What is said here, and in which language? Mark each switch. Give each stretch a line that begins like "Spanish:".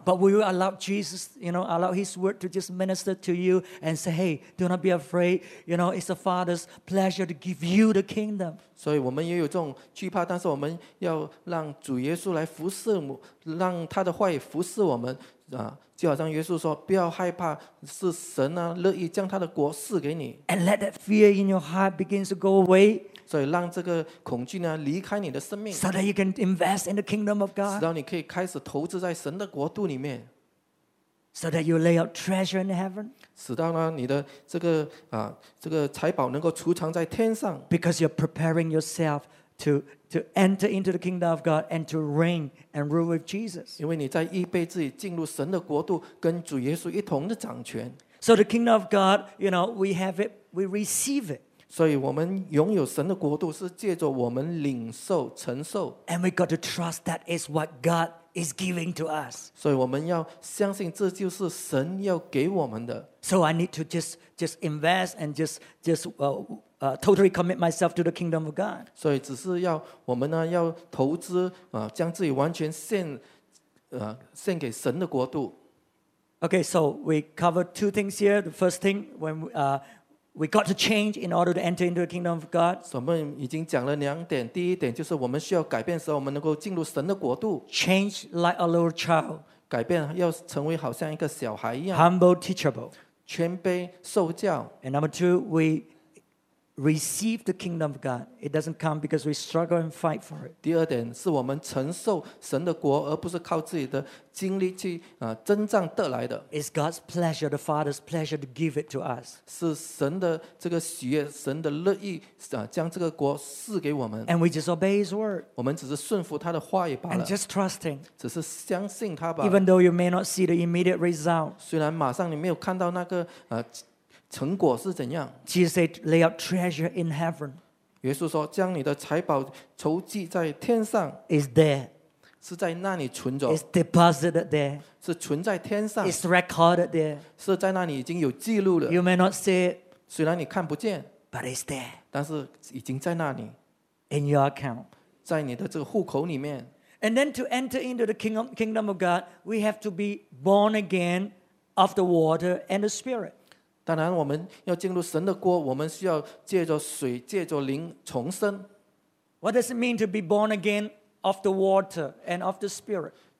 English: But will you allow Jesus, you know, allow His word to just minister to you and say, hey, do not be afraid. You know, it's the Father's pleasure to give you the kingdom.
Chinese: 所以我们也有这种惧怕，但是我们要让主耶稣来服侍，让他的话语服侍我们、啊、就好像耶稣说，不要害怕，是神、啊、乐意将他的国赐给你。
English: And let that fear in your heart begin to go away.
Chinese: 所以让这个恐惧呢离开你的生命。
English: So that you can invest in the kingdom of God.
Chinese: 使到你可以开始投资在神的国度里面。
English: So that you lay out treasure in heaven.
Chinese: 使到呢你的这个、啊、这个财宝能够储藏在天上。
English: Because you're preparing yourself to enter into the kingdom of God and to reign and rule with Jesus.
Chinese: 因为你在预备自己进入神的国度，跟主耶稣一同的掌权。
English: So the kingdom of God, you know, we have it, we receive it.
Chinese: 所以我们拥有神的国度是借着我们领受承受。
English: And we got to trust that is what God is giving to us.
Chinese: 所以我们要相信这就是神要给我们的。
English: So I need to just invest and totally commit myself to the kingdom of God.
Chinese: 所以只是要我们呢要投资、啊、将自己完全献给神的国度。
English: Okay, so we covered two things here. The first thing, when we got to change in order to enter into the kingdom of God.
Chinese: 我们已经讲了两点，第一点就是我们需要改变时候我们能够进入神的国度。
English: Change like a little child.
Chinese: 改变要成为好像一个小孩一样。
English: Humble, teachable.
Chinese: 谦卑受教。
English: And number two, we receive the kingdom of God. It doesn't come because we struggle and fight for it.
Chinese: 第二点是我们承受神的国，而不是靠自己的精力去征战得来的。
English: It's God's pleasure, the Father's pleasure to give it to us.
Chinese: 是神的这个喜悦，神的乐意将这个国赐给我们。
English: And we just obey His word.
Chinese: 我们只是顺服他的话语罢了。
English: And just trusting.
Chinese: 只是相信他吧。
English: Even though you may not see the immediate result.
Chinese: 虽然马上你没有看到那个成果是怎样？
English: Jesus said, lay out treasure in heaven.
Chinese: 耶稣说，将你的财宝筹集在天上。
English: Is there.
Chinese: 是在那里存着。
English: Is deposited there.
Chinese: 是存在天上。
English: Is recorded there.
Chinese: 是在那里已经有记录了。
English: You may not see it.
Chinese: 虽然你看不见。
English: But it's there.
Chinese: 但是已经在那里。
English: In your account.
Chinese: 在你的这个户口里面。
English: And then to enter into the kingdom of God, we have to be born again of the water and the spirit.
Chinese: 当然我们要进入神的国，我们需要借着水，借着灵重生。
English: What does it mean to be born again of the water and of the spirit?